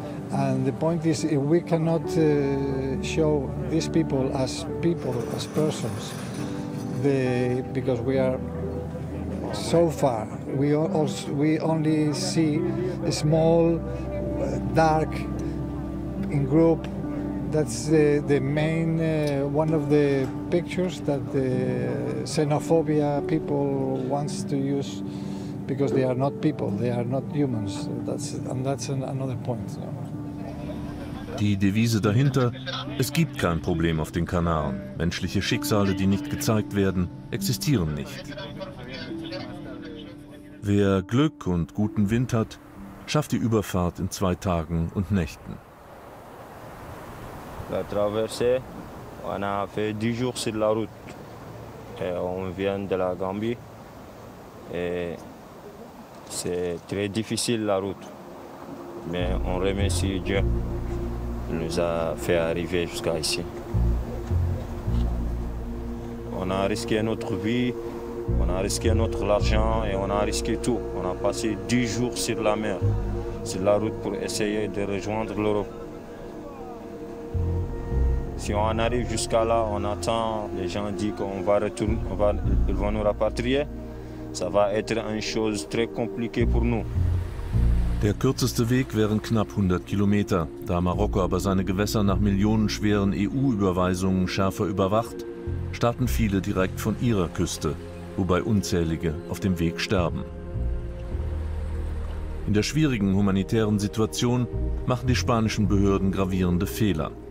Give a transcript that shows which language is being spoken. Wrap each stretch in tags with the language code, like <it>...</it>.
<en>And the point is, if we cannot show these people, as persons, because we are so far, we only see a small, dark in group. That's the main, one of the pictures that the xenophobia people wants to use. Because they are not people, they are not humans. That's another point.</en> <de>Die Devise dahinter: Es gibt kein Problem auf den Kanaren. Menschliche Schicksale, die nicht gezeigt werden, existieren nicht. Wer Glück und guten Wind hat, schafft die Überfahrt in 2 Tagen und Nächten.</de> <fr>La traversée, on a fait 10 jours sur la route. On vient de la Gambie. C'est très difficile la route, mais on remercie Dieu qui nous a fait arriver jusqu'à ici. On a risqué notre vie, on a risqué notre argent et on a risqué tout. On a passé 10 jours sur la mer, sur la route pour essayer de rejoindre l'Europe. Si on en arrive jusqu'à là, on attend, les gens disent qu'on va retourner, ils vont nous rapatrier. Ça va être une chose très compliquée pour nous.</fr> <de>Der kürzeste Weg wären knapp 100 Kilometer. Da Marokko aber seine Gewässer nach millionenschweren EU-Überweisungen schärfer überwacht, starten viele direkt von ihrer Küste, wobei unzählige auf dem Weg sterben. In der schwierigen humanitären Situation machen die spanischen Behörden gravierende Fehler.</de>